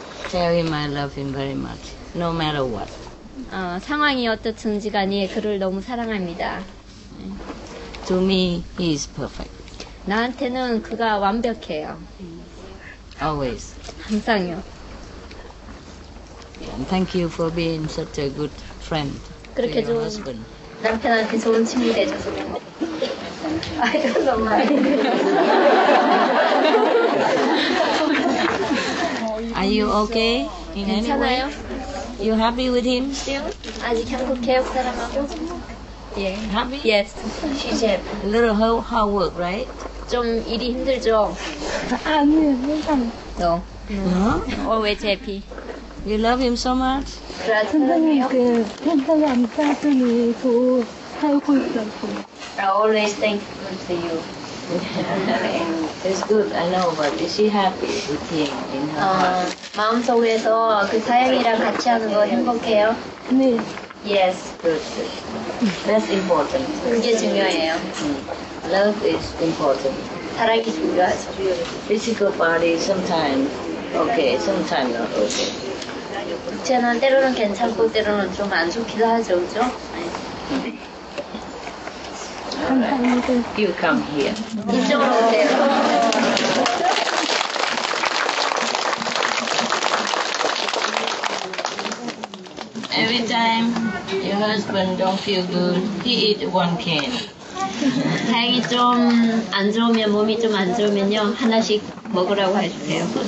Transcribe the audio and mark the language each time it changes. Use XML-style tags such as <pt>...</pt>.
<en>Tell him I love him very much, no matter what.</en> <ko>상황이 어떻든지 간에 그를 너무 사랑합니다.</ko> <en>To me, he is perfect.</en> <ko>나한테는 그가 완벽해요.</ko> <en>Always.</en> <ko>항상요.</ko> <en>And thank you for being such a good friend.</en> <ko>그렇게 좋은</ko> <en>husband.</en> <ko>남편한테 좋은 친구 되셔서 감사합니다.</ko> <en>I don't know. Are you okay? In</en> <ko>괜찮아요?</ko> <en>Any way? You happy with him still?</en> <ko>아직 행복해요, 그 사람하고.</ko> <en>Yeah. Happy? Yes. She's happy. A little hard work, right?</en> <ko>좀 일이 힘들죠. 아니요, 항상.</ko> <en>No. No? Always happy. You love him so much?</en> <ko>선생님, 그 현타람 사진을 보고 살고 있었고.</ko> <en>I always thankful to you. It's good, I know, but is she happy with him in her heart?</en> <ko>마음속에서 그 사연이랑 같이 하는 거 행복해요? 네.</ko> <en>Yes. Good. That's important.</en> <ko>그게 중요해요.</ko> <en>Love is important.</en> <ko>사랑이 중요하죠.</ko> <en>Physical body sometimes, okay, sometimes not okay.</en> <ko>육체는 때로는 괜찮고 때로는 좀 안 좋기도 하죠, 그죠? 감사합니다.</ko> <en>You come here.</en> <ko>이쪽으로 오세요. 네.</ko> <en>Every time your husband don't feel good, he eat one can.</en> <ko>다행히 좀 안 좋으면, 몸이 좀 안 좋으면요, 하나씩 먹으라고 해주세요.</ko>